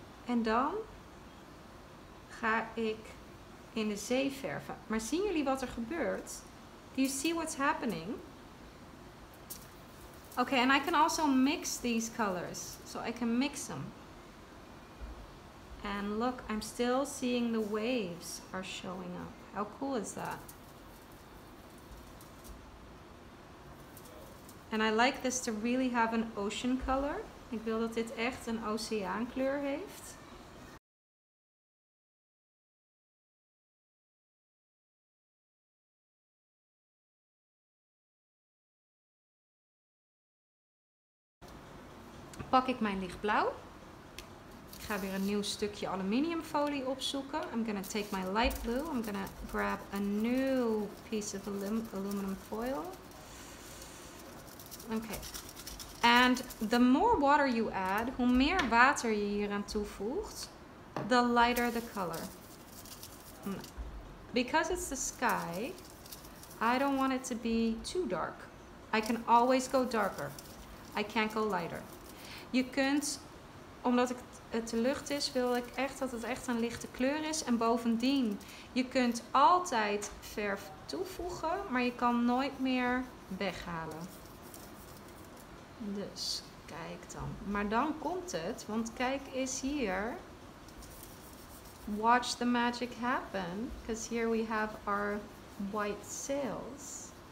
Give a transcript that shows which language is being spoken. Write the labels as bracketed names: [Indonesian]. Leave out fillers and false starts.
[Dutch] En dan ga ik... in de zee verven. Maar zien jullie wat er gebeurt? [English] Do you see what's happening? Okay, and I can also mix these colors. So I can mix them. And look, I'm still seeing the waves are showing up. How cool is that? And I like this to really have an ocean color. [Dutch] Ik wil dat dit echt een oceaankleur heeft. Pak ik mijn lichtblauw. Ik ga weer een nieuw stukje aluminiumfolie opzoeken. [English] I'm gonna take my light blue. I'm gonna grab a new piece of aluminum foil. Okay. And the more water you add, hoe meer water je hier aan toevoegt, the lighter the color. Because it's the sky, I don't want it to be too dark. I can always go darker. I can't go lighter. [Dutch] Je kunt, omdat het de lucht is, wil ik echt dat het echt een lichte kleur is. En bovendien, je kunt altijd verf toevoegen, maar je kan nooit meer weghalen. Dus, kijk dan. Maar dan komt het, want kijk eens hier. [English] Watch the magic happen, because here we have our white sails.